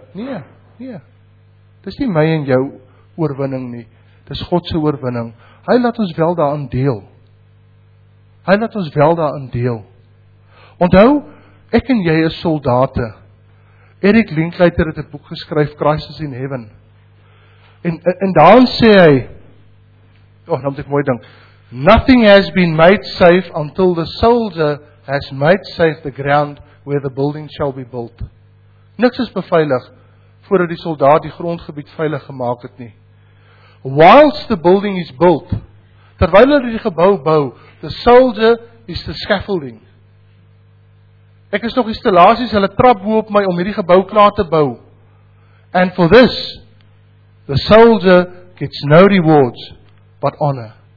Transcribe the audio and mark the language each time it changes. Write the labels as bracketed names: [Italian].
[Afrikaans] Nee, dit is nie my en jou oorwinning nie, dit is Godse oorwinning. Hy laat ons wel daarin deel. Hy laat ons wel daarin deel. Onthou, ek en jy is soldate. Eric Linkletter het 'n boek geskryf, Crisis in Heaven. En daarin sê hy, nou moet ek mooi ding, [English] nothing has been made safe until the soldier has made safe the ground where the building shall be built. [Afrikaans] Niks is beveilig voordat die soldaat die grondgebied veilig gemaak het nie. [English] Whilst the building is built, [Afrikaans] terwyl hulle die gebou bou, [English] the soldier is the scaffolding. [Afrikaans] Ek is nog installasies, hulle trap bo op my om hierdie gebou klaar te bou. [English] And for this, the soldier gets no rewards but honor.